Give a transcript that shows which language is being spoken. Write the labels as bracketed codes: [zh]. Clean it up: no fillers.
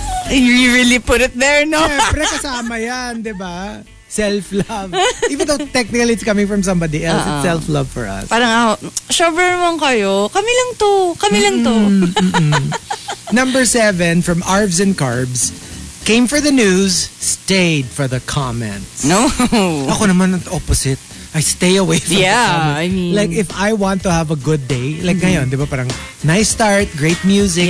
[en] You really put it there, no? [tl] Siyempre, kasama yan, di ba? [en] Self-love. Even though technically it's coming from somebody else, uh-uh, it's self-love for us. [tl] Parang ako, sober naman kayo. Kami lang to. Kami lang to. [en] Number 7 from Arvs and Carbs. Came for the news, stayed for the comments. No. [tl] Ako naman ang [en] opposite. I stay away from yeah, the comments. I mean... Like, if I want to have a good day, like mm-hmm. [tl] ngayon, di ba parang, [en] nice start, great music.